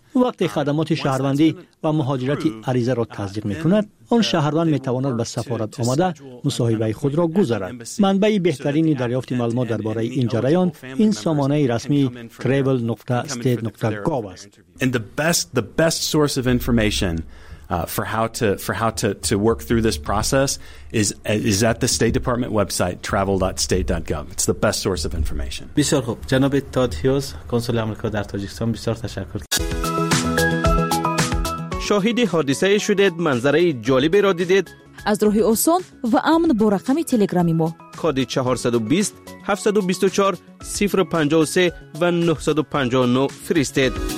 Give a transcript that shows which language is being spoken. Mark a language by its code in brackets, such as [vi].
[fa] وقتی خدمات شهروندی و مهاجرت عریضه را تصدیق می‌کند، آن شهروند می‌تواند به سفارت آمده مصاحبه خود را گذارد. منبع بهترین دریافت معلومات درباره این جریان این سامانه رسمی travel.state.gov است. [en] The best source of information for how to work through this process is at the State Department website travel.state.gov. It's the best source of information. [fa] بسیار خوب. جناب تاد هیوز، کنسول آمریکا در تاجیکستان، بسیار تشکر. شاهد حادثه شدید، منظره جالبی را دیدید؟ از راه آسان و امن با رقم تلگرامی ما کد 420 724 053 و 959 فرستید.